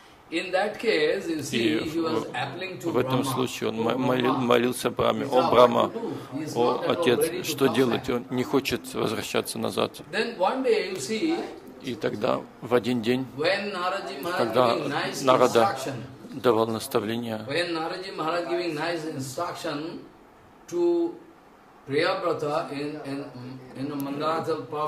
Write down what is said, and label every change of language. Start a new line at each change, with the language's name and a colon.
English: In that case, you see, he was appealing to Brahma.
Russian: В этом случае он молился Брахме. О Брахма, о отец, что делать? Он не хочет возвращаться назад.
English: Then one day, you see.
Russian: И тогда в один день,
English: when Naraji Maharaj giving nice instruction, when Naraji Maharaj giving nice instruction to Priyabrata in the Mandarachal Prabha,